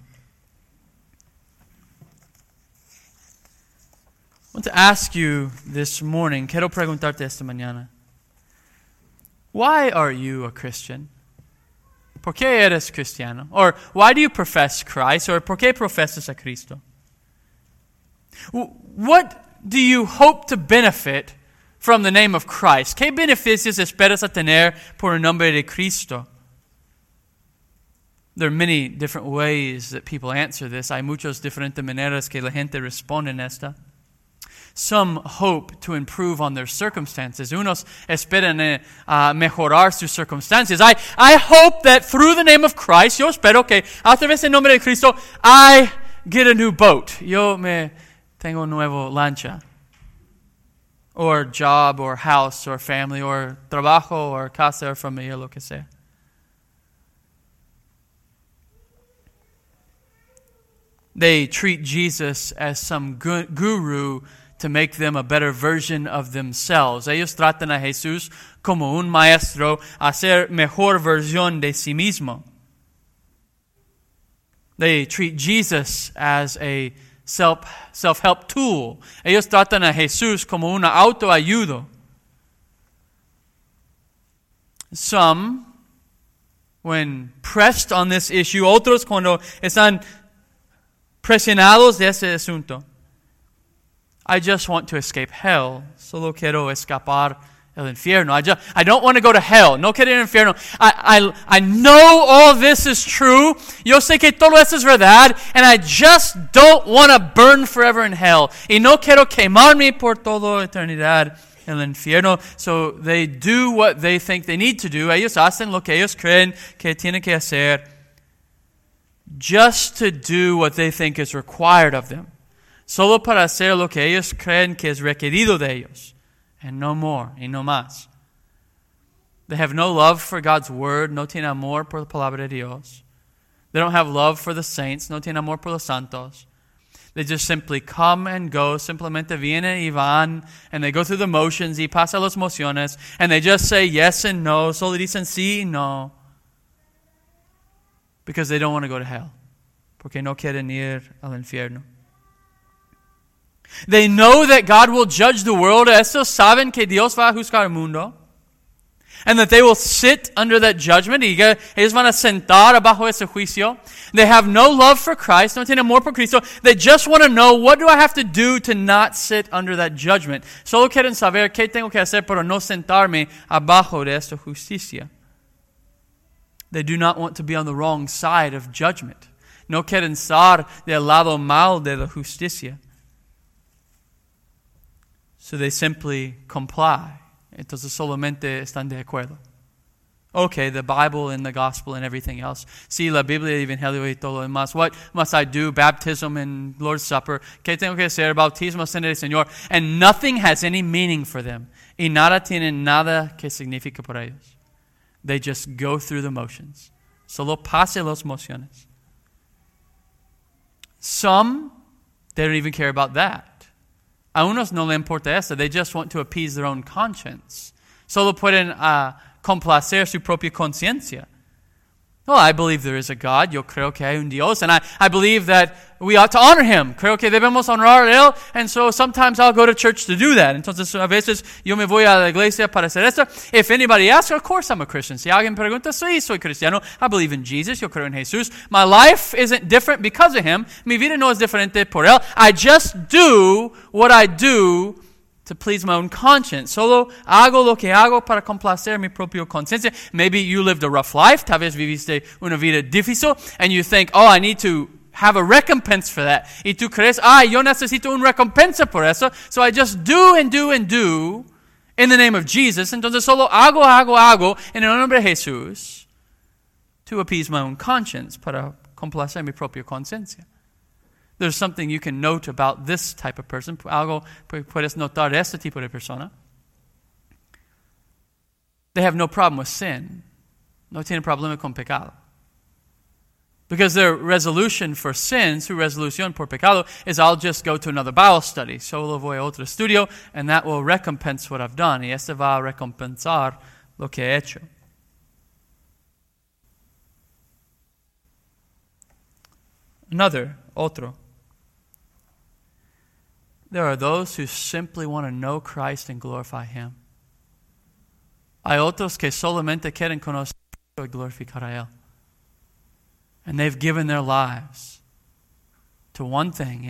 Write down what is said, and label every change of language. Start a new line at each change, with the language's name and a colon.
English: I want to ask you this morning,
Spanish: quiero preguntarte esta mañana,
English: why are you a Christian?
Spanish: ¿Por qué eres cristiano?
English: Or why do you profess Christ? Or
Spanish: ¿por qué profesas a Cristo?
English: What do you hope to benefit from the name of Christ?
Spanish: ¿Qué beneficios esperas a tener por el nombre de Cristo?
English: There are many different ways that people answer this.
Spanish: Hay muchas diferentes maneras que la gente responde en esta.
English: Some hope to improve on their circumstances.
Spanish: Unos esperan mejorar sus circunstancias.
English: I hope that through the name of Christ,
Spanish: yo espero que a través del nombre de Cristo,
English: I get a new boat.
Spanish: Yo me tengo nuevo lancha.
English: Or job, or house, or family, or
Spanish: trabajo,
English: or
Spanish: casa,
English: or
Spanish: familia, lo que sea.
English: They treat Jesus as some guru to make them a better version of themselves.
Spanish: Ellos tratan a Jesús como un maestro a ser mejor versión de sí mismo.
English: They treat Jesus as a self-help tool.
Spanish: Ellos tratan a Jesús como una autoayuda.
English: Some, when pressed on this issue,
Spanish: otros cuando están presionados de ese asunto,
English: I just want to escape hell.
Spanish: Solo quiero escapar el infierno.
English: I don't want to go to hell.
Spanish: No quiero ir al infierno. I know all this is true. Yo sé que todo esto es verdad.
English: And I just don't want to burn forever in hell.
Spanish: Y no quiero quemarme por toda eternidad en el infierno.
English: So they do what they think they need to do.
Spanish: Ellos hacen lo que ellos creen que tienen que hacer.
English: Just to do what they think is required of them.
Spanish: Solo para hacer lo que ellos creen que es requerido de ellos.
English: And no more,
Spanish: y no más.
English: They have no love for God's word,
Spanish: no tiene amor por la palabra de Dios.
English: They don't have love for the saints,
Spanish: no tiene amor por los santos.
English: They just simply come and go,
Spanish: simplemente vienen y van,
English: and they go through the motions,
Spanish: y pasan las mociones,
English: and they just say yes and no,
Spanish: solo dicen sí y no.
English: Because they don't want to go to hell.
Spanish: Porque no quieren ir al infierno.
English: They know that God will judge the world.
Spanish: Estos saben que Dios va a juzgar el mundo.
English: And that they will sit under that judgment.
Spanish: Y ellos van a sentar bajo ese juicio.
English: They have no love for Christ.
Spanish: No tienen amor por Cristo.
English: They just want to know, what do I have to do to not sit under that judgment?
Spanish: Solo quieren saber qué tengo que hacer para no sentarme abajo de esta justicia.
English: They do not want to be on the wrong side of judgment.
Spanish: No quieren estar del lado mal de la justicia.
English: So they simply comply.
Spanish: Entonces solamente están de acuerdo.
English: Okay, the Bible and the gospel and everything else.
Spanish: Sí, la Biblia, el Evangelio y todo lo demás.
English: What must I do? Baptism and Lord's Supper.
Spanish: ¿Qué tengo que hacer? Bautismo, cena del Señor.
English: And nothing has any meaning for them.
Spanish: Y nada tiene nada que significa para ellos.
English: They just go through the motions.
Spanish: Solo pase las mociones.
English: Some, they don't even care about that.
Spanish: A unos no le importa eso.
English: They just want to appease their own conscience.
Spanish: Solo pueden complacer su propia conciencia.
English: Well, I believe there is a God.
Spanish: Yo creo que hay un Dios.
English: And I believe that we ought to honor him.
Spanish: Creo que debemos honrar a él.
English: And so sometimes I'll go to church to do that.
Spanish: Entonces a veces yo me voy a la iglesia para hacer esto.
English: If anybody asks, of course I'm a Christian.
Spanish: Si alguien pregunta, sí, soy cristiano.
English: I believe in Jesus.
Spanish: Yo creo en Jesús.
English: My life isn't different because of him.
Spanish: Mi vida no es diferente por él.
English: I just do what I do to please my own conscience.
Spanish: Solo hago lo que hago para complacer mi propia conciencia.
English: Maybe you lived a rough life.
Spanish: Tal vez viviste una vida difícil.
English: And you think, oh, I need to have a recompense for that.
Spanish: Y tú crees, ah, yo necesito una recompensa por eso.
English: So I just do and do and do in the name of Jesus.
Spanish: Entonces solo hago, hago, hago en el nombre de Jesús
English: to appease my own conscience,
Spanish: para complacer mi propia conciencia.
English: There's something you can note about this type of person.
Spanish: Algo puedes notar de este tipo de persona.
English: They have no problem with sin.
Spanish: No tienen problema con pecado.
English: Because their resolution for sin,
Spanish: su resolución por pecado,
English: is I'll just go to another Bible study.
Spanish: Solo voy a otro estudio,
English: and that will recompense what I've done.
Spanish: Y este va a recompensar lo que he hecho. Otro.
English: There are those who simply want to know Christ and glorify Him.
Spanish: Hay otros que solamente quieren conocer a Cristo y glorificar a Él.
English: And they've given their lives to one thing.